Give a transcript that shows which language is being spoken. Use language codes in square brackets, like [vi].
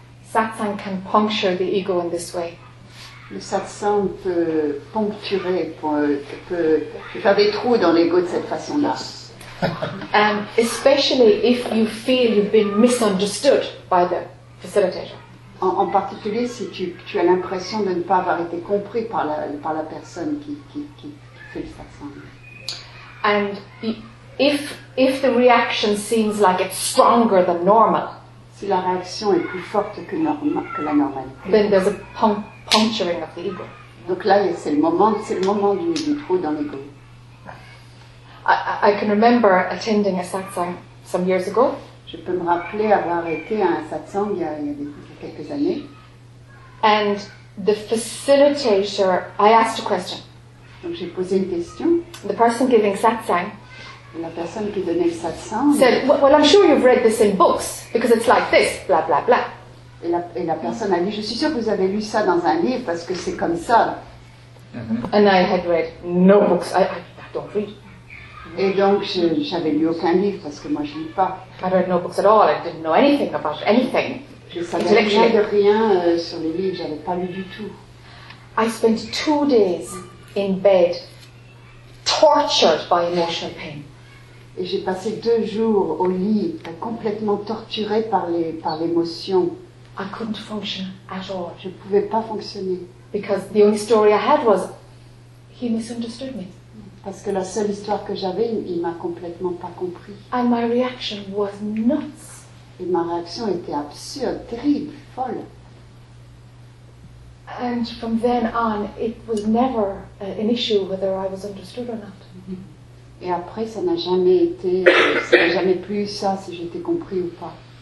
[en] Satsang can puncture the ego in this way. [fr] Le satsang peut poncturer, peut faire des trous dans l'ego de cette façon-là. [en] Especially if you feel you've been misunderstood by the facilitator. [fr] En particulier si tu as l'impression de ne pas avoir été compris par la personne qui fait le satsang. [en] And if the reaction seems like it's stronger than normal. [fr] Si la réaction est plus forte que la normale. [en] Then there's a puncturing of the ego. [fr] Donc là, c'est le moment du trou dans l'ego. [en] I can remember attending a satsang some years ago. [fr] Je peux me rappeler avoir été à un satsang il y a quelques années. [en] And the facilitator, I asked a question. [fr] Donc j'ai posé une question. [en] The person giving satsang. [fr] La personne qui donnait le satsang. [en] Said, well, I'm sure you've read this in books because it's like this, blah blah blah. [fr] Et la personne a dit, je suis sûre que vous avez lu ça dans un livre parce que c'est comme ça. [en] Mm-hmm. And I had read no books. I don't read. [fr] Et donc, je n'avais lu aucun livre parce que moi, je ne lis pas. [en] I read no books at all. I didn't know anything about anything. [fr] Je ne savais rien de rien sur les livres. Je n'avais pas lu du tout. [en] I spent 2 days in bed, tortured by emotional pain. [fr] Et j'ai passé 2 jours au lit, complètement torturée par l'émotion. [en] I couldn't function at all. [fr] Je pouvais pas fonctionner. [en] Because the only story I had was, he misunderstood me. [fr] Parce que la seule histoire que j'avais, il m'a complètement pas compris. [en] And my reaction was nuts. [fr] Et ma réaction était absurde, terrible, folle. [en] And from then on, it was never an issue whether I was understood or not. [fr] Et après, ça n'a jamais été, ça n'a jamais plus eu ça, si j'étais compris ou pas.